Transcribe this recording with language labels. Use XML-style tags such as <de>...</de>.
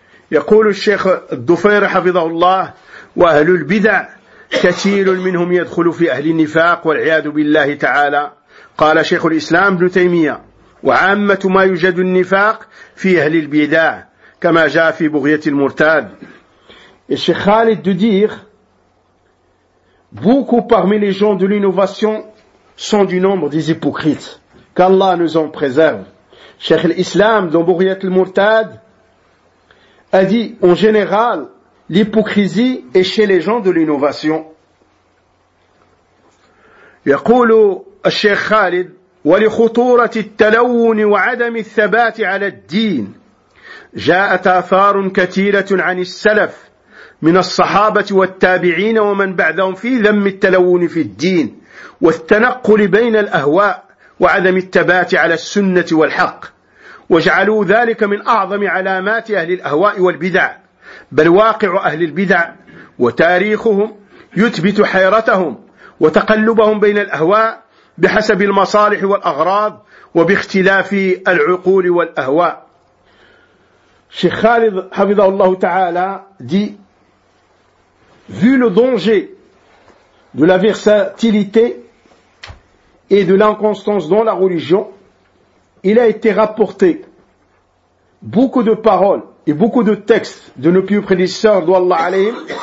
<ar>يقول الشيخ الضفير حفظه الله: وأهل البدع كثير منهم يدخل في أهل النفاق والعياذ بالله تعالى. قال شيخ الإسلام ابن تيمية: وعامة ما يوجد النفاق في أهل البدع كما جاء في بغية المرتاد.</ar> <fr>الشيخ خالد دودير: beaucoup parmi les gens de l'innovation sont du nombre des hypocrites. Qu'Allah nous en préserve. Cheikh al-Islam dans بغية المرتاد a dit, en général, l'hypocrisie est chez les gens de l'innovation.</fr> <ar>يقول الشيخ خالد: ولخطورة التلون وعدم الثبات على الدين جاءت آثار كثيرة عن السلف من الصحابة والتابعين ومن بعدهم في ذم التلون في الدين والتنقل بين الأهواء وعدم الثبات على السنة والحق، وجعلوا ذلك من أعظم علامات أهل الأهواء والبدع، بل واقع أهل البدع وتاريخهم يثبت حيرتهم وتقلبهم بين الأهواء بحسب المصالح والأغراض وباختلاف العقول والأهواء. شيخ خالد حفظه الله تعالى</ar> <fr>دي vu le danger de la versatilité et de l'inconstance dans la religion, il a été rapporté beaucoup de paroles et beaucoup de textes de nos pieux prédécesseurs d'Allah alayhim,</fr>